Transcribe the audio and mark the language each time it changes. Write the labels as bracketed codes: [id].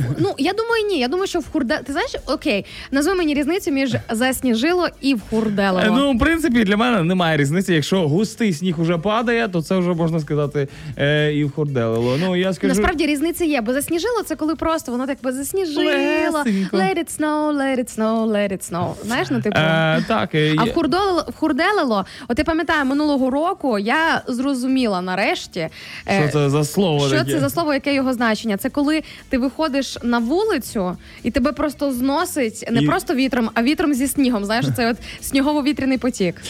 [uk] Ну, я думаю, ні. Я думаю, що в хурделило. Ти знаєш, окей, назви мені різницю між засніжило і в хурделило. Ну, в принципі, для мене немає різниці. Якщо густий сніг вже падає, то це вже можна сказати і в хурделило. Ну, я скажу... Насправді різниці є, бо засніжило — це коли просто воно так би засніжило. Лесенько. [en] Let it snow, let it snow, let it snow. [uk] Знаєш, ну, типу... Так. А в хурделило, от я пам'ятаю, минулого року я зрозуміла нарешті, що це за слово, що це за слово, яке його значення. Це коли ти виходиш на вулицю і тебе просто зносить не просто вітром, а вітром зі снігом. Знаєш, це от сніговітряний потік.